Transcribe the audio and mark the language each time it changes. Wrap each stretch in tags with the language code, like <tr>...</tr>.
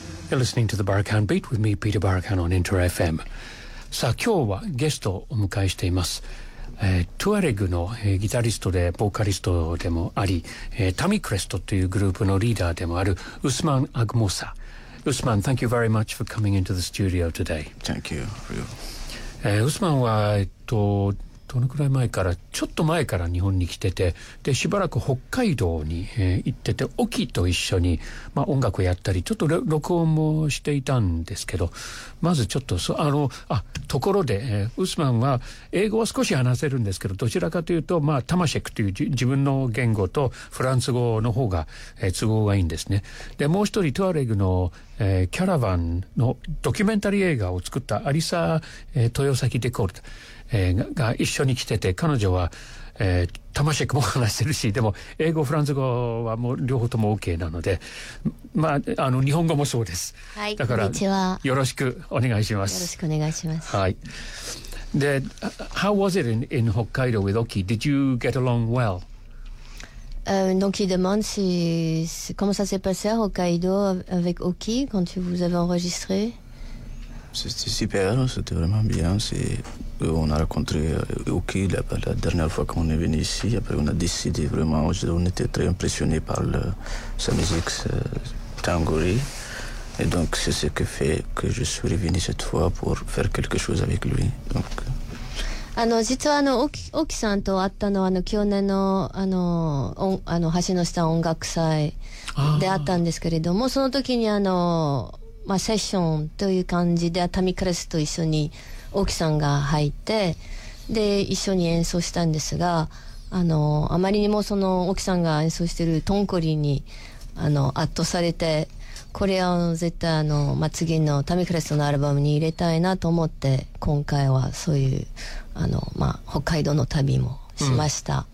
<en>You're listening to the Barakan Beat with me, Peter Barakan on Inter FM.</en> <ja>さあ今日はゲストをお迎えしています。トゥアレグの、ギタリストでボーカリストでもあり、タミクレストというグループのリーダーでもあるウスマン・アグモサ。</ja> <en>ウスマン、 Thank you very much for coming into the studio today. Thank you.</en> <ja>ウスマンは、どのくらい前から、ちょっと前から日本に来てて、でしばらく北海道に、行ってて、オキと一緒に、まあ、音楽をやったりちょっと録音もしていたんですけど、まずちょっとところで、ウスマンは英語は少し話せるんですけど、どちらかというと、まあ、タマシェクという自分の言語とフランス語の方が、都合がいいんですね。でもう一人、トゥアレグの、キャラバンのドキュメンタリー映画を作ったアリサ、豊崎デコルト、が一緒に来てて、彼女は、タマシェクも話せるし、でも英語フランス語はもう両方とも OK なので、まあ、日本語もそうです。はい、だからこんにちは、よろしくお願いします。よろしくお願いします。</ja> <en>はい、で How was it in Hokkaido with Oki? Did you get along well?</en> <fr>Donc il demande si, si, comment ça s'est passé à Hokkaido avec Oki quand tu vous avez enregistré. C'était super, c'était vraiment bien. C'est... On a rencontré Oki la dernière fois qu'on est venu ici. Après, on a décidé vraiment, on était très impressionnés par sa musique, Tanguri. Et donc, c'est ce qui fait que je suis revenu cette fois pour faire quelque chose avec lui. Donc...</fr> <ja>実は Oki さんと会ったのは去年 の, あの橋の下音楽祭で会ったんですけれども、その時にまあ、セッションという感じで、タミクレスと一緒に。大木さんが入ってで一緒に演奏したんですが、あまりにもその大木さんが演奏しているトンコリに圧倒されて、これは絶対まあ、次のタミクレストのアルバムに入れたいなと思って、今回はそういうまあ、北海道の旅もしました、</ja>